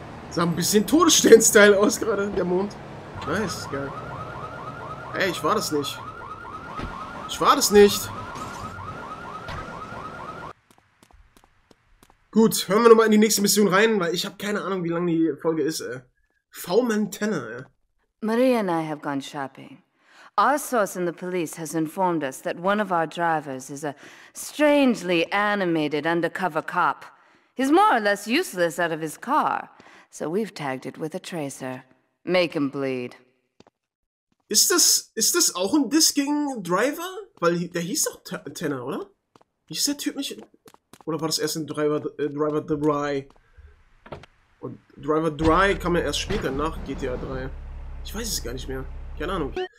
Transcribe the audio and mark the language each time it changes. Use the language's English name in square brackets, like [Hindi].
[German] Sah ein bisschen Todesstern-Style aus gerade, der Mond. Nice, geil. Ey, ich war das nicht. Ich war das nicht. Gut, hören wir nochmal in die nächste Mission rein, weil ich habe keine Ahnung, wie lang die Folge ist, ey. V-Mantenne, ey. [English] Maria and I have gone shopping. Our source in the police has informed us that one of our drivers is a strangely animated undercover cop. He's more or less useless out of his car, so we've tagged it with a tracer. Make him bleed. [German] Ist das auch ein Diss gegen Driver? Weil der hieß doch Tenner, oder? Hieß der Typ nicht... Oder war das erst in Driver Dry? Und Driver Dry kam ja erst später nach GTA 3. Ich weiß es gar nicht mehr. Keine Ahnung.